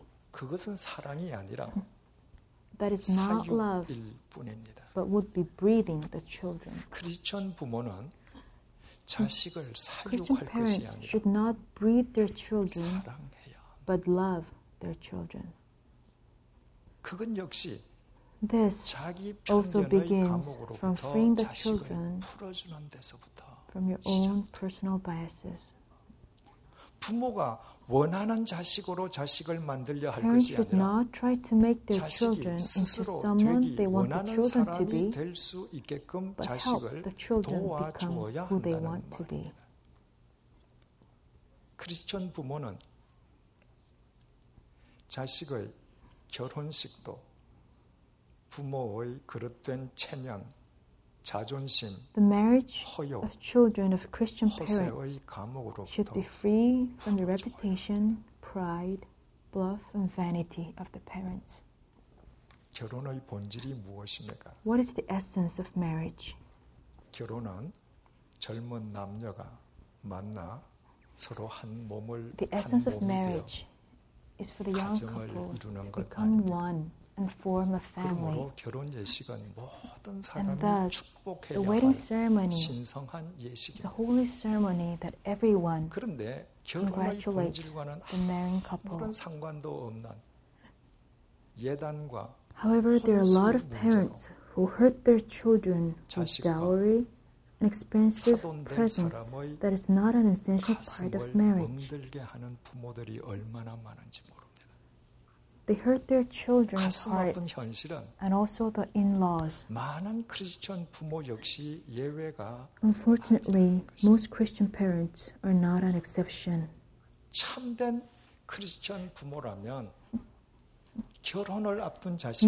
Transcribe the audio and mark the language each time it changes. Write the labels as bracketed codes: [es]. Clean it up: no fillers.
[ko] 그것은 사랑이 아니라 사육일 뿐입니다. [en] But would be breeding the children. [ko] 크리스천 부모는 자식을 사육할 것이 아니라 [en] should not breed their children, but love their children. [ko] 그건 역시 [en] This also begins from freeing the children from your own personal biases. [ko] 부모가 원하는 자식으로 자식을 만들려 할 [en] Parents [ko] 것이 아니라 [en] should not try to make their children into someone they want the children to be, [ko] 될 수 있게끔 자식을 도와주어야 한다는 말입니다. 크리스천 부모는 자식의 결혼식도 부모의 그릇된 체면, 자존심, [en] the marriage [ko] 허요, [en] of children of Christian parents should be free from the reputation, pride, bluff, and vanity of the parents. [ko] 결혼의 본질이 무엇입니까? [en] What is the essence of marriage? [ko] 결혼은 젊은 남녀가 만나 서로 한 몸을 [en] The essence of marriage is for the young couples to become one. And form a family. [ko] 그러므로 결혼 예식은 모든 사람이 [en] And thus, [ko] 축복해야 [en] the wedding ceremony [ko] 신성한 예식입니다. [en] It's a holy ceremony that everyone [ko] 그런데 결혼의 본질과는 아무런 상관도 없는 예단과 [en] However, there are a lot of parents [ko] 문제로. [en] who hurt their children with dowry, an expensive present that is not an essential part of marriage. [ko] 가슴을 멍들게 하는 부모들이 얼마나 많은지 모릅니다. [en] They hurt their children's heart and also the in-laws. [ko] 많은 크리스천 부모 역시 예외가 [en] Unfortunately, most Christian parents are not an exception. [ko] 참된 크리스천 부모라면 결혼을 앞둔 자식